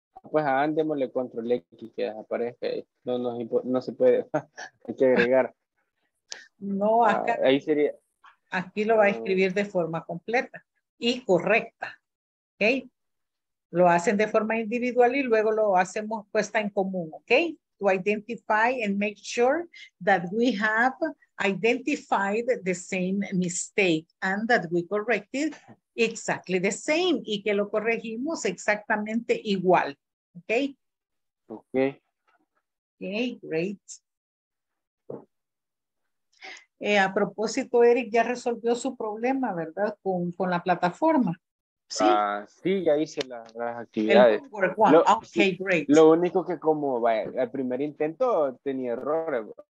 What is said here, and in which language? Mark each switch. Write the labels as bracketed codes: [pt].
[es] Pues andémosle control X que aparece. No se puede. Hay que agregar. No, acá. Ahí sería. Aquí lo va a escribir de forma completa y correcta. ¿Ok? Lo hacen de forma individual y luego lo hacemos puesta en común. ¿Ok? [en] To identify and make sure that we have identified the same mistake and that we corrected exactly the same [es] y que lo corregimos exactamente igual. [en] Ok. Ok. Ok, great. [es] A propósito, Eric ya resolvió su problema, ¿verdad? Con la plataforma. ¿Sí? Sí, ya hice las actividades. El homework one. Lo, okay, sí, great. Lo único que como vaya, el primer intento tenía errores.